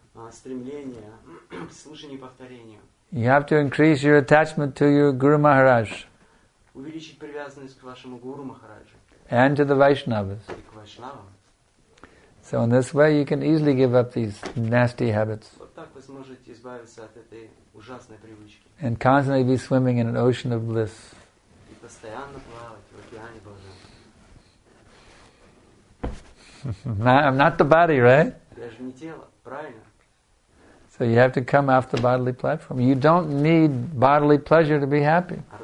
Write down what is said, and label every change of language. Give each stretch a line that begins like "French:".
Russian: Стремление к слушанию и повторению.
English: You have to increase your attachment to your Guru Maharaj.
Russian: Увеличить привязанность к вашему Гуру Махараджу.
English: And to the Vaishnavas.
Russian: И к Вайшнавам.
English: So in this way you can easily give up these nasty habits.
Russian: Вот так вы сможете избавиться от этой ужасной привычки.
English: And constantly be swimming in an ocean of bliss.
Russian: И постоянно плавать в океане блаженства.
English: I'm not the body, right?
Russian: Я же не тело, правильно?
English: So you have to come off the bodily platform. You don't need bodily pleasure to be happy.